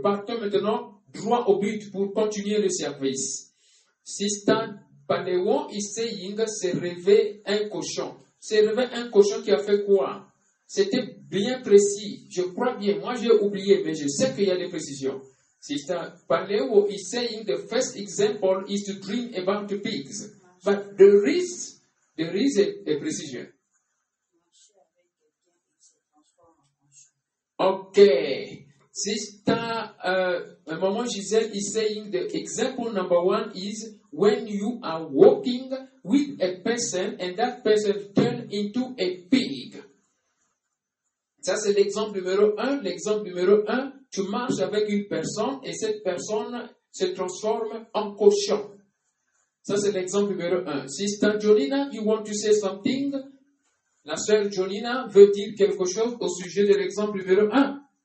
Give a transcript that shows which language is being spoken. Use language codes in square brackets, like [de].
[fr] Partons maintenant droit au but pour continuer le service. [en] Sister Paléo is saying [fr] se réveille un cochon. Se réveille un cochon qui a fait quoi? C'était bien précis. Je crois bien. Moi, j'ai oublié, mais je sais qu'il y a des précisions. [en] Sister Paleo is saying the first example is to dream about the pigs. But there is a precision. Okay. Sister Maman Giselle is saying the example number one is when you are walking with a person and that person turns into a pig. [fr] Ça, c'est l'exemple numéro un. L'exemple numéro un, tu marches avec une personne et cette personne se transforme en cochon. Ça, c'est l'exemple numéro un. [en] Sister Jolina, you want to say something? [fr] La sœur Jolina veut dire quelque chose au sujet de l'exemple numéro un.